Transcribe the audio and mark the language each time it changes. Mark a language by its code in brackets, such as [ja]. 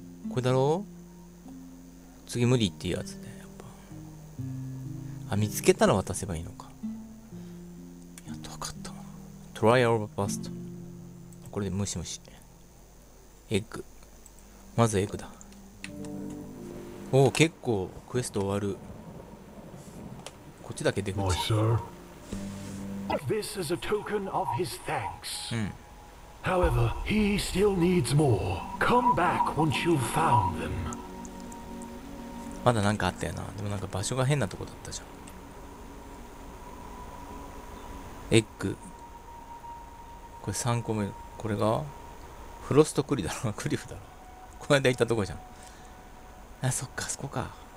[ja] これだろう？次、無理っていうやつね、やっぱ。あ、見つけたら渡せばいいのか。やっと分かったな。トライアルバスト。これで、ムシムシ。エッグ、まずエッグだ。おお、結構クエスト終わる。こっちだけ出口。 [en] My sir, this is a token of his thanks. However, he still needs more. Come back once you've found them. [ja] まだなんかあったよな。でもなんか場所が変なとこだったじゃん。エッグ、これ3個目。これがフロストクリだろ、クリフだろ。この間行ったとこじゃん。あ、そっか、そこか。